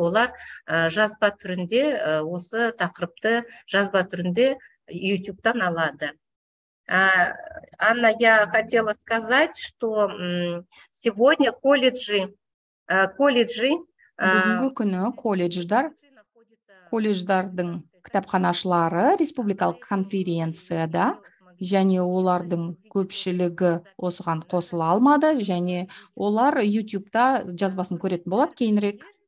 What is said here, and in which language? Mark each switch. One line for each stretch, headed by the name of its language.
Kazakh: Олар жазба түрінде осы тақырыпты жазба түрінде YouTube-тан алады.
Russian: Анна, я хотела сказать, что сегодня колледжи
Kazakh: бүгінгі күні колледждардың кітапханашылары республикалық конференцияда және олардың көпшілігі осыған қосыла алмады және олар YouTube-та жазбасын көретін болады кейінірек.